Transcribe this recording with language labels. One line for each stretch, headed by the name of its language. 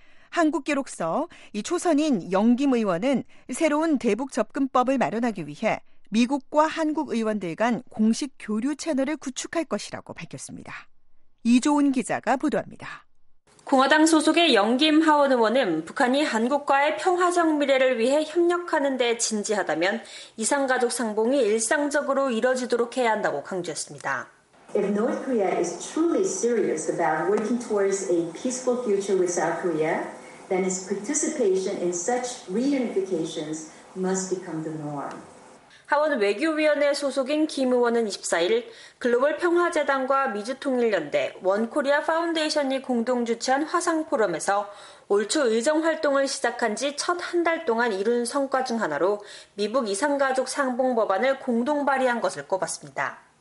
Korean: 한국기록서 이 초선인 영김 의원은 새로운 대북 접근법을 마련하기 위해 미국과 한국 의원들 간 공식 교류 채널을 구축할 것이라고 밝혔습니다. 이조은 기자가 보도합니다. 공화당 소속의 영김 하원 의원은 북한이 한국과의 평화적 미래를 위해 협력하는 데 진지하다면 이산가족 상봉이 일상적으로 이뤄지도록 해야 한다고 강조했습니다.
English: If North Korea is truly serious about working towards a peaceful future with South Korea, then its participation in such reunifications must become the norm.
Korean: 하원 외교위원회 소속인 김 의원은 24일 글로벌 평화재단과 미주통일연대, 원코리아 파운데이션이 공동 주최한 화상 포럼에서 올 초 의정 활동을 시작한 지 첫 한 달 동안 이룬 성과 중 하나로 미북 이산가족 상봉 법안을 공동 발의한 것을 꼽았습니다.